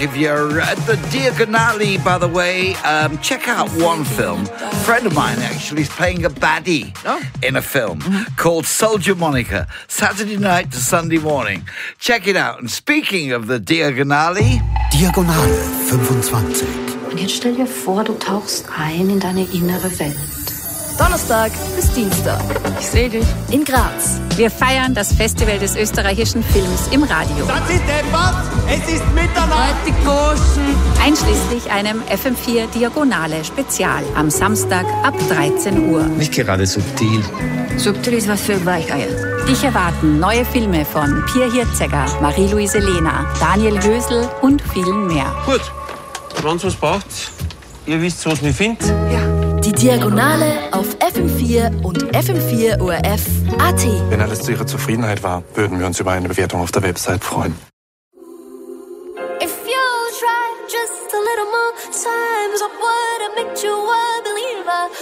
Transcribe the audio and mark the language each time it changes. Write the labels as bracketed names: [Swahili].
[English] If you're at the Diagonale, by the way, check out one film. A friend of mine actually is playing a baddie in a film called Soldier Monica, Saturday night to Sunday morning. Check it out. And speaking of the Diagonale, Diagonale 25. [German] Und jetzt stell dir vor, du tauchst ein in deine innere Welt. Donnerstag bis Dienstag. Ich sehe dich. In Graz. Wir feiern das Festival des österreichischen Films im Radio. Das ist etwas. Es ist Mitternacht. Die Burschen. Einschließlich einem FM4 Diagonale Spezial am Samstag ab 13 Uhr. Nicht gerade subtil. Subtil ist was für Weicheier. Dich erwarten neue Filme von Pierre Hirzegger, Marie-Louise Lehner, Daniel Hösel und vielen mehr. Gut, wenn es was braucht, ihr wisst, was mich findet. Ja. Die Diagonale auf FM4 und FM4ORF.at. Wenn alles zu Ihrer Zufriedenheit war, würden wir uns über eine Bewertung auf der Website freuen. [English] If you tried just a little more times, I would have made you a believer.